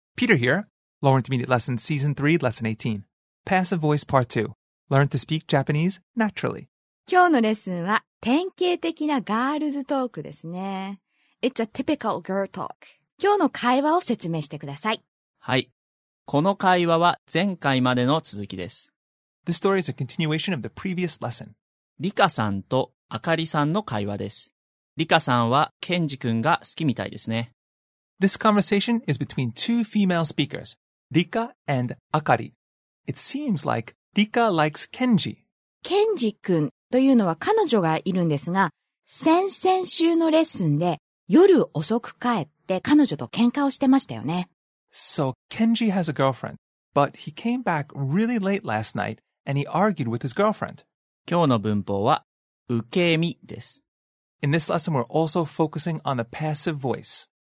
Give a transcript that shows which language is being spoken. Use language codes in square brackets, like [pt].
[en] Peter here. Lauren to meet lesson season 3 lesson 18 Passive voice part 2Learn to speak Japanese naturally. [ja] 今日のレッスンは典型的なガールズトークですね。 [en] It's a typical girl talk. [ja] 今日の会話を説明してください。はい。この会話は前回までの続きです。 [en] The story is a continuation of the previous lesson. [ja] リカさんとあかりさんの会話です。リカさんはケンジ君が好きみたいですね。 [en] This conversation is between two female speakers, Rika and Akari. It seems like... Rika likes Kenji. [ja] Kenji 君というのは彼女がいるんですが、先々週のレッスンで夜遅く帰って彼女と喧嘩をしてましたよね。 [en] So Kenji has a girlfriend, but he came back really late last night and he argued with his girlfriend. [ja] 今日の文法は受け身です。 [en] In this lesson, we're also focusing on the passive voice.